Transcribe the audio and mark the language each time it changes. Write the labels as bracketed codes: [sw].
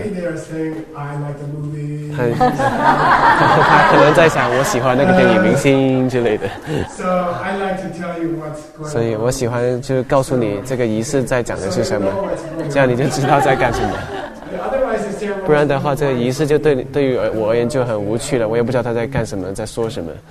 [en] Maybe they are saying I like the movie. [zh] 他可能在想我喜欢那个电影明星之类的。 [en] So I like to tell you what's going on. [zh] 所以我喜欢就告诉你这个仪式在讲的是什么，这样你就知道在干什么。不然的话，这个仪式就对于我而言就很无趣了。我也不知道他在干什么，在说什么。